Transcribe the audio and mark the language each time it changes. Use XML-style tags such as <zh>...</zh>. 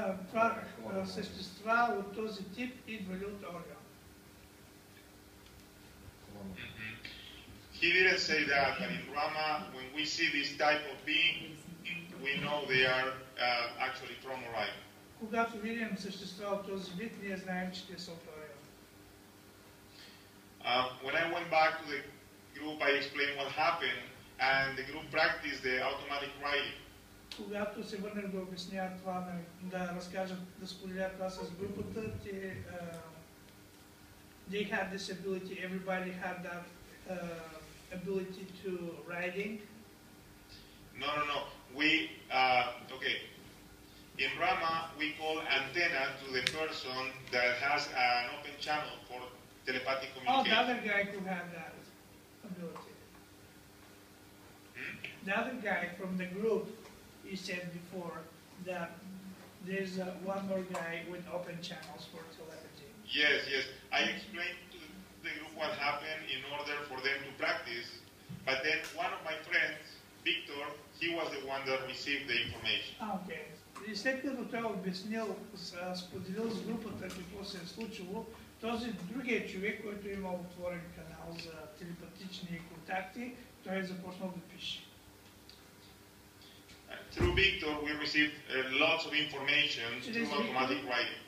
<bg>Това същество от този тип идвали от Орион.</bg> <en>He didn't say that, but in Rama, when we see this type of being, we know they are actually from Orion.</en> <bg>Когато видим същества от този вид, ние знаем, че те са от Орион.</bg> <en>When I went back to the group, I explained what happened, and the group practiced the automatic writing.</en> <bg>Когато се върнах да обясня това, да разкажат, да споделя това с групата, те,</bg> <en>they had this ability, everybody had that ability to writing. No. We, okay. In Rama, we call antenna to the person that has an open channel for telepathic communication. Oh, the other guy who had that ability. The other guy from the group, you said before that there's one more guy with open channels for telepathy. Yes. I explained to the group what happened in order for them to practice, but then one of my friends, Victor, he was the one that received the information. Okay.</en> <bg>След като той обяснил, споделил с групата какво се е случило, този другия човек, който има отворен канал за телепатични контакти, той е започнал да пише.</bg> <en>Through Victor, we received lots of information through automatic writing.</en>